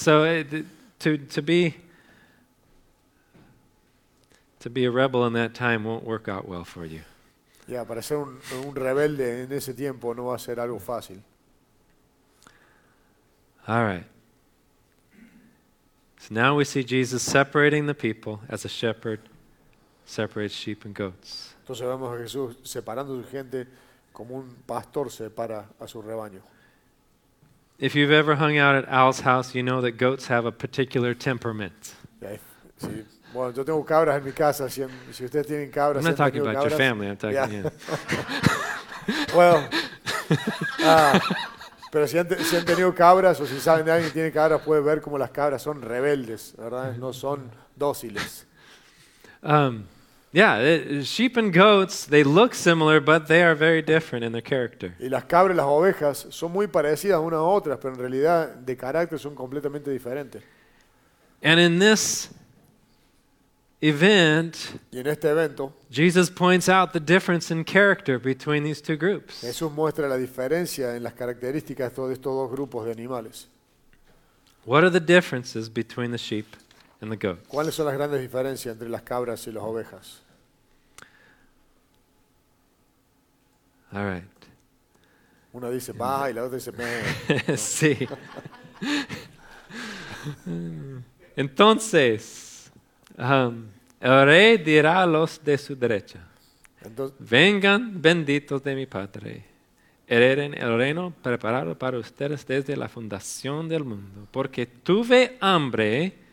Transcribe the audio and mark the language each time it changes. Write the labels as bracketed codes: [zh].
[en] So to be a rebel in that time won't work out well for you. [es] Yeah, para ser un rebelde en ese tiempo no va a ser algo fácil. [en] All right. So now we see Jesus separating the people as a shepherd separates sheep and goats. [es] Entonces vemos a Jesús separando su gente como un pastor separa a su rebaño. [en] If you've ever hung out at Al's house, you know that goats have a particular temperament. [es] Sí. Bueno, yo tengo cabras en mi casa. Si, si ustedes tienen cabras, [en] I'm not talking about your family. I'm talking, yeah. [es] Well, pero si han tenido cabras o si saben de alguien que tiene cabras, puede ver cómo las cabras son rebeldes, ¿verdad? No son dóciles. [en] Sheep and goats, they look similar, but they are very different in their character. [es] Y las cabras y las ovejas son muy parecidas unas a otras, pero en realidad de carácter son completamente diferentes. [en] And in this event, [es] y en este evento, [en] Jesus points out the difference in character between these two groups. [es] Jesús muestra la diferencia en las características de estos dos grupos de animales. [en] What are the differences between the sheep and the goats? [es] ¿Cuáles son las grandes diferencias entre las cabras y las ovejas? [en] All right. [es] Una dice va y la otra dice me. Sí. Entonces, el rey dirá a los de su derecha, vengan benditos de mi padre, hereden el reino preparado para ustedes desde la fundación del mundo, porque tuve hambre